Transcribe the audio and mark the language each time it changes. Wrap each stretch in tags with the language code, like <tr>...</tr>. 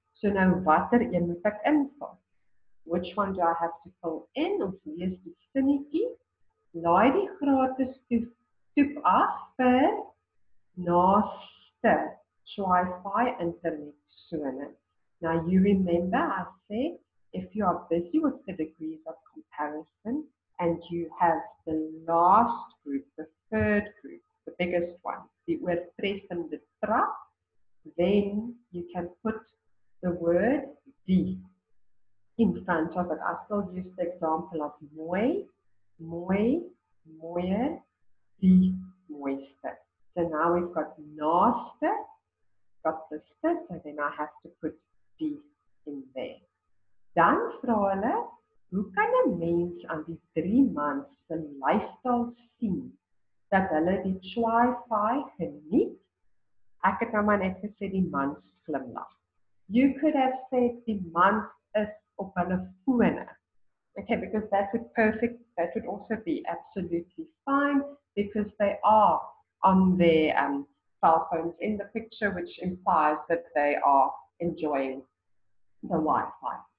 <af>So nou watter een moet ek invul?</af> <en>Which one do I have to fill in?</en> <af>Ons lees die sinnetjie. Laai die gratis toep af vir naaste Wi-Fi internet sone.</af> <en>Now you remember I said if you are busy with the degrees of comparison and you have the last group, the third group, the biggest one, the word pres in the trap, then you can put the word die in front of it. I still use the example of</en> <af>mooi, mooi, mooier, die mooiste.</af> <en>So now we've got naaste, got the sis, and then I have to put die in there.</en> <af>Dan vra hulle, hoe kan 'n mens aan die 3 maande se lyfstyl sien dat hulle die Wi-Fi geniet? Ek het nou maar net gesê die mans glimlag.</af> <en>You could have said</en> <af>die mans is op hulle fone.</af> <en>Okay, because that would perfect, that would also be absolutely fine because they are on their cell phones in the picture, which implies that they are enjoying the Wi-Fi.</en>